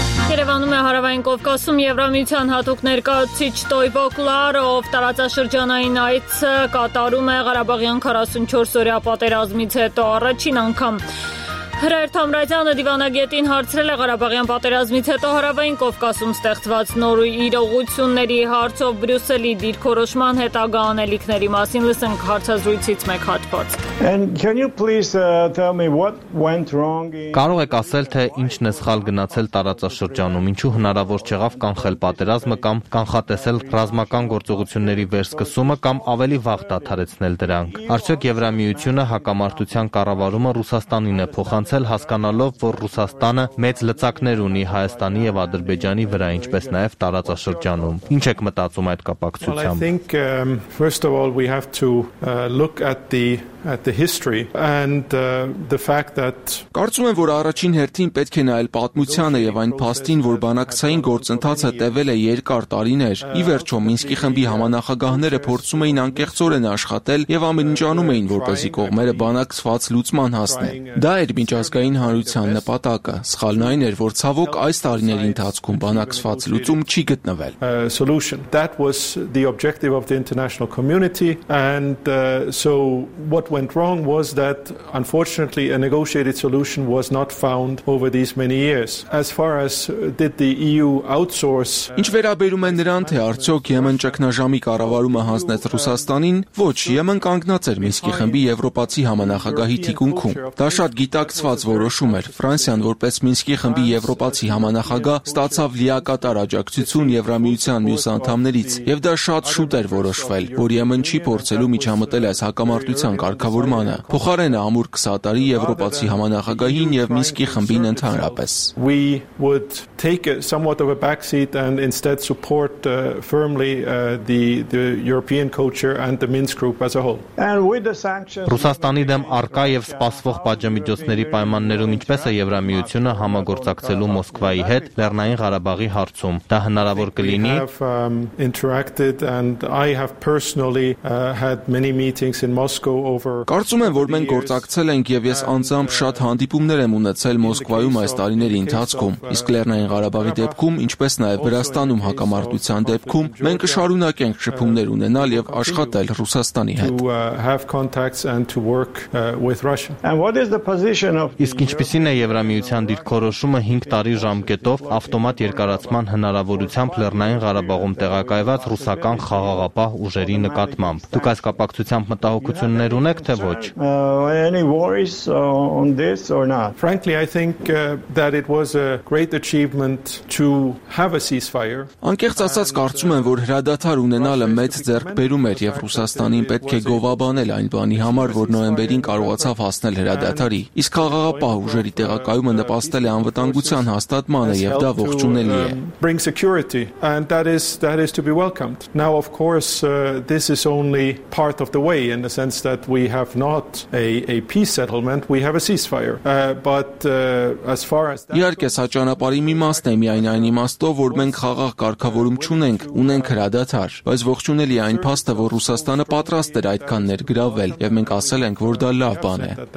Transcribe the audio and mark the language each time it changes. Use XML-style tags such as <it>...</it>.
<hy>Երևանում է հարավային Կովկասում Եվրամիության հատուկ ներկայացուցիչ Տոյվո Կլարը, ով տարածաշրջանային այց կատարում է Ղարաբաղյան 44-օրյա պատերազմից հետո առաջին անգամ։ Հրայր Թամրայցյանը դիվանագետին հարցրել է Ղարաբաղյան պատերազմից հետո Հարավային Կովկասում ստեղծված նոր իրողությունների հարցով Բրյուսելի դիրքորոշման հետագա անելիքների մասին լսենք հարցազրույցից մեկ հատված։</hy> <en>And can you please tell me what went wrong in</en> <hy>Կարող եք ասել, թե ինչն է սխալ գնացել տարածաշրջանում, ինչու հնարավոր չեղավ կանխել պատերազմը կամ կանխատեսել ռազմական գործողությունների վերսկսումը կամ ավելի վաղ դադարեցնել դրանք։ Արդյոք Եվրամիությունը հակամարտության կառավարումը Ռուսաստանին է փոխանցել, հասկանալով, որ Ռուսաստանը մեծ լծակներ ունի Հայաստանի եւ Ադրբեջանի վրա, ինչպես նաեւ տարածաշրջանում։ Ինչ եք մտածում այդ կապակցությամբ։</hy> <en>First of all, we have to look at the history and the fact that</en> <hy>Կարծում եմ, որ առաջին հերթին պետք է նայել պատմությանը եւ այն փաստին, որ բանակցային գործընթացը տևել է երկար տարիներ։ Ի վերջո Մինսկի խմբի համանախագահները փորձում էին անկեղծորեն աշխատել եւ ամենջանում էին, որպեսզի կողմերը բանակցված լուծման հասնեն։ Դա էր միջազգային հանրության նպատակը։ Սխալն այն էր, որ ցավոք այս տարիների ընթացքում բանակցված լուծում չի գտնվել։</hy> <en>That was the objective of the international community and so what went wrong was that unfortunately a negotiated solution was not found over these many years as far as did the EU outsource</en> <hy>Ինչ վերաբերում է նրան, թե արդյոք Եմեն ճգնաժամի կառավարումը հանձնեց Ռուսաստանին, ոչ, Եմեն կանգնած էր Մինսկի խմբի Եվրոպացի համանախագահի թիկունքում։ Դա շատ գիտակցված որոշում էր։ Ֆրանսիան, որպես Մինսկի խմբի Եվրոպացի համանախագահ, ստացավ լիակատար աջակցություն Եվրամիության մյուս անդամներից, եւ դա շատ շուտ էր որոշվել, որ Եմեն չի փորձելու միջամտել այս հակամարտության կարգավորմանը։ Փոխարենը ամուր կսատարի Եվրոպացի համանախագահին եւ Մինսկի խմբին ընդհանրապես։</hy> <en>We would take somewhat of a back seat and instead support firmly the European culture and the Minsk group as a whole. And with the</en> <hy>sanctions Ռուսաստանի դեմ արկա եւ սպասվող պատժամիջոցների պայմաններում ինչպես է Եվրամիությունը համագործակցելու Մոսկվայի հետ Լեռնային Ղարաբաղի հարցում։ Դա հնարավոր կլինի։ Կարծում եմ, որ մենք գործակցել ենք եւ ես անձամբ շատ հանդիպումներ եմ ունեցել Մոսկվայում այս տարիների ընթացքում։ Իսկ Լեռնային Ղարաբաղի դեպքում, ինչպես նաեւ Վրաստանում հակամարտության դեպքում, մենք կշարունակենք շփումներ ունենալ եւ աշխատել Ռուսաստանի հետ։</hy> <en>And what is the position of</en> <hy>Իսկ ինչպեսին է Եվրամիության դիրքորոշումը 5 տարի ժամկետով ավտոմատ երկարացման հնարավորությամբ Լեռնային Ղարաբաղում տեղակայված ռուսական խաղաղապահ ուժերի նկատմամբ։ Դուք այս կապակցությամբ մտահոգություններ ունեք, թե ոչ։</hy> <en>Any worries on this or not? Frankly, I think that it was a great achievement to have a ceasefire.</en> <hy>Անկեղծ ասած, կարծում եմ, որ հրադադար ունենալը մեծ ձեռքբերում էր եւ Ռուսաստանին պետք է գովաբանել այն բանի համար, որ նոյեմբերին կարողացավ հասնել հրադադարի։ Իսկ խաղաղապահ ուժերի տեղակայումը նպաստել է անվտանգության հաստատմանը եւ դա ողջունելի է։</hy> <en>Bring security and that is to be welcomed. Now of course this is only part of the way in the sense that we have not a peace settlement, we have a ceasefire. As far as that</en> <hy>Իհարկե սա ճանապարհի մի մասն է, միայն այն իմաստով, որ մենք խաղաղ կարգավորում չունենք, ունենք հրադադար, բայց ողջունելի այն փաստը, որ Ռուսաստանը պատրաստ էր այդքան ներգրավել եւ մենք ասել ենք, որ դա լավ բան է։</hy>